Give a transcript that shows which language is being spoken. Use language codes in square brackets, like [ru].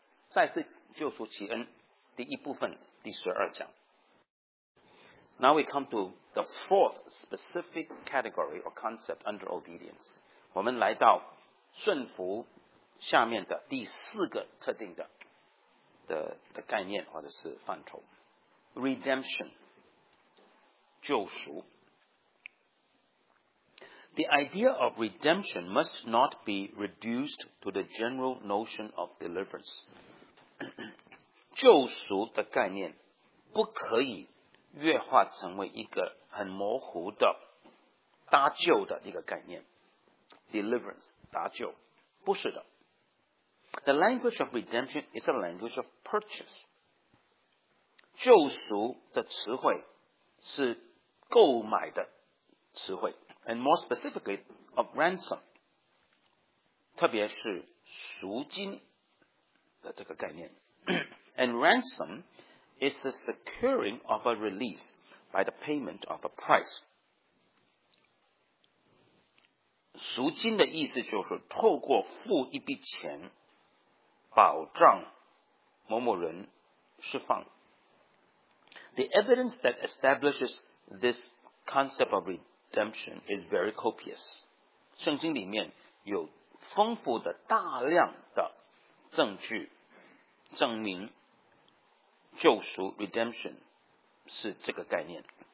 [zh] 再次救赎其恩第一部分第十二讲。 [en] Now we come to the fourth specific category or concept under obedience. [zh] 我们来到顺服下面的第四个特定的的概念或者是范畴。 [en] Redemption, 救赎。 The idea of redemption must not be reduced to the general notion of deliverance. [zh] 救赎的概念不可以约化成为一个很模糊的搭救的一个概念。 [en] Deliverance, 搭救。 [zh] 不是的。 [en] The language of redemption is a language of purchase. [zh] 救赎的词汇是购买的词汇。 [en] And more specifically, of ransom. [zh] 特别是赎金的这个概念。 [en] And ransom is the securing of a release by the payment of a price. [zh] 赎金的意思就是透过付一笔钱保障某某人释放。 [en] The evidence that establishes this concept of redemption is very copious. [zh] 圣经里面有丰富的大量的证据证明救赎 redemption 是这个概念。